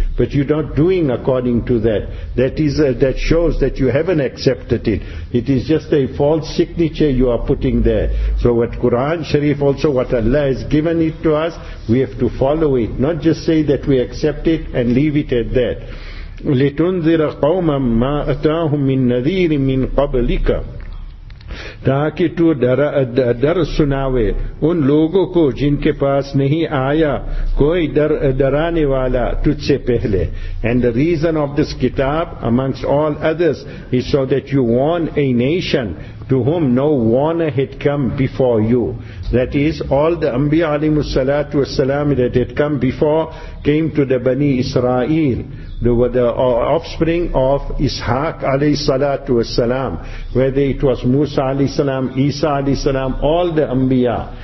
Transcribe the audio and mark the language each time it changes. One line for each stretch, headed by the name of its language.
English: But you're not doing according to that. That shows that you haven't accepted it. It is just a false signature you are putting there. So what Quran Sharif also, what Allah has given it to us, we have to follow it. Not just say that we accept it and leave it at that.
Arabic: لتنذر قوما ما أتاهم من نذير من قبلك
Urdu: تاکہ تو ڈر سناوے ان لوگوں کو جن کے پاس نہیں آیا کوئی ڈرانے والا تجھ سے پہلے.
English: And the reason of this kitab amongst all others is so that you warn a nation to whom no warner had come before you. That is, all the Anbiya alayhi salatu wasalam that had come before came to the Bani Israel, the offspring of Ishaq alayhi salatu wasalam, whether it was Musa alayhi salam, Isa alayhi salam, all the Anbiya.